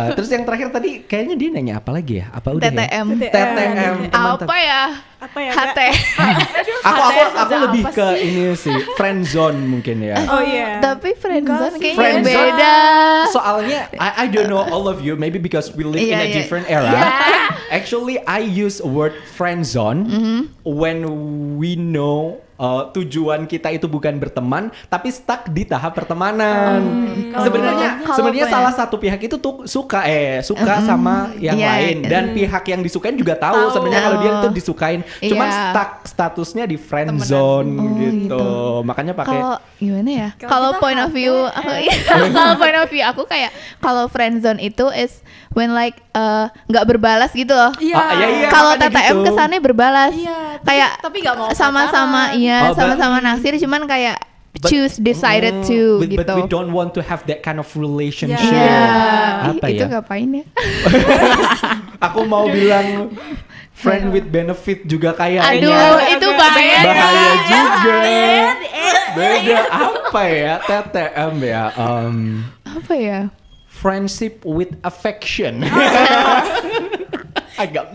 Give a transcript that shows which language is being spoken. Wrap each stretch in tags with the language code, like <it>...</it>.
<id>Terus yang terakhir tadi kayaknya dia nanya apa lagi ya? Apa udah TTM. Ya? TTM. Apa ya? Apa ya? HT. aku lebih ke ini sih, friend zone mungkin ya. Oh iya. Yeah. Tapi friend zone kayaknya friend zone beda.</id> <en>Soalnya I don't know all of you, maybe because we live in a different era. Yeah. Actually I use word friend zone when we know</en> <id>tujuan kita itu bukan berteman tapi stuck di tahap pertemanan. Sebenarnya salah satu pihak itu tuh suka sama yang lain dan pihak yang disukain juga tahu sebenarnya kalau dia itu disukain cuman stuck statusnya di friend temenan. Zone gitu. Makanya pakai gimana ya? Kalau point of view kalau point of view aku kayak kalau friend zone itu is when like enggak berbalas gitu loh. Kalau TTM kesannya berbalas. Kayak tapi enggak mau sama-sama sama-sama naksir cuman kayak</id> <en>but we don't want to have that kind of relationship.</en> <id>Itu ngapain ya? Aku mau bilang friend with benefit juga kayaknya. Aduh, itu bahaya juga. Beda apa ya? TTM ya. Apa ya?</id> <en>Friendship with affection. Agak</en>